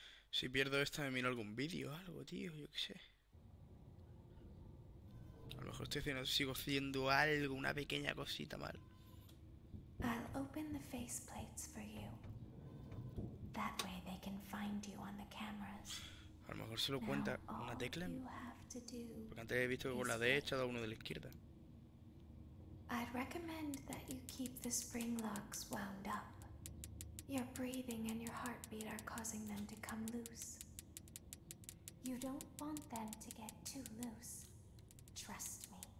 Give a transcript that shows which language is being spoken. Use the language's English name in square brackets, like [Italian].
[Spanish] Si pierdo esta, me miro algún vídeo o algo, tío, yo qué sé. A lo mejor estoy haciendo, sigo haciendo algo, una pequeña cosita mal. [English] I'll open the faceplates for you. That way they can find you on the cameras. [Spanish] A lo mejor se lo cuenta una tecla. Porque antes he visto que con la derecha ha dado uno de la izquierda. [English] I'd recommend that you keep the spring locks wound up. Your breathing and your heartbeat are causing them to come loose. You don't want them to get too loose. Trust me.